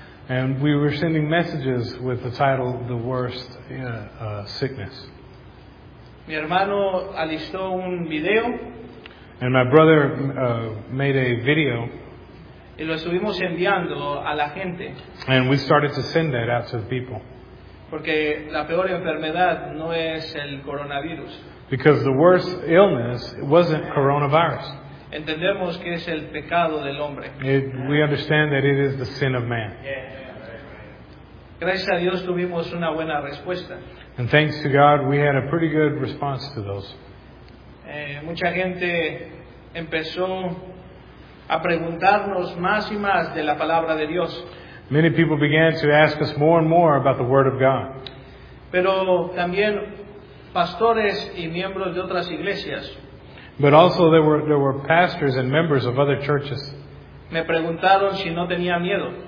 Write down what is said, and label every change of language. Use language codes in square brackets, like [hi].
[en] And we were sending messages with the title The Worst Sickness. [es] Mi hermano alistó un video. [en] And my brother made a video. [es] Y lo estuvimos enviando a la gente. [en] And we started to send that out to the people. [es] Porque la peor enfermedad no es el coronavirus. [en] Because the worst illness wasn't coronavirus. [es] Entendemos que es el pecado del hombre. [en] We understand that it is the sin of man. [es] Gracias a Dios tuvimos una buena respuesta. [en] And thanks to God, we had a pretty good response to those. [es] Mucha gente empezó a preguntarnos más y más de la palabra de Dios. [en] Many people began to ask us more and more about the Word of God. [es] Pero también pastores y miembros de otras iglesias. [en] But also there were pastors and members of other churches. [es] Me preguntaron si no tenía miedo.